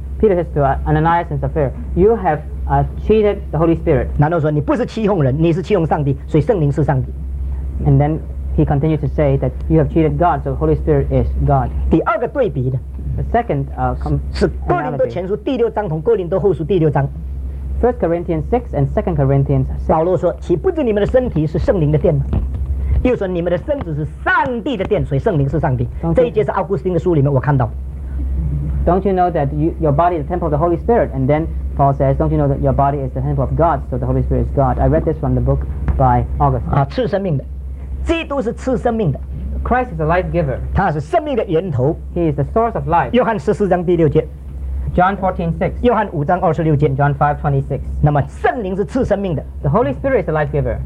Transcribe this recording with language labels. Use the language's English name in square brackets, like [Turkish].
[English] Peter says to Ananias and Sapphira you have cheated the Holy Spirit [Chinese] 难道说你不是欺哄人你是欺哄上帝所以圣灵是上帝 [English] and then he continues to say that you have cheated God so Holy Spirit is God [Chinese] 第二个对比呢 [English] The second, [Chinese] 是哥林多前书第六章同哥林多后书第六章 [English] First Corinthians 6 and Second Corinthians 6 [Chinese] 保罗说岂不知你们的身体是圣灵的殿吗又说你们的身子是上帝的殿所以圣灵是上帝这一节是奥古斯丁的书里面我看到 [English] Don't you know that your body is the temple of the Holy Spirit and then Paul says Don't you know that your body is the temple of God so the Holy Spirit is God I read this from the book by Augustine [Chinese] 赐生命的基督是赐生命的 [English] Christ is the life giver. [Chinese] 他是生命的源头。 [English] He is the source of life. [Chinese] 约翰十四章第六节。 [English] John 14:6. [Chinese] 约翰五章二十六节。 [English] John 5:26. [Chinese] 那么圣灵是赐生命的。 [English] The Holy Spirit is the life giver.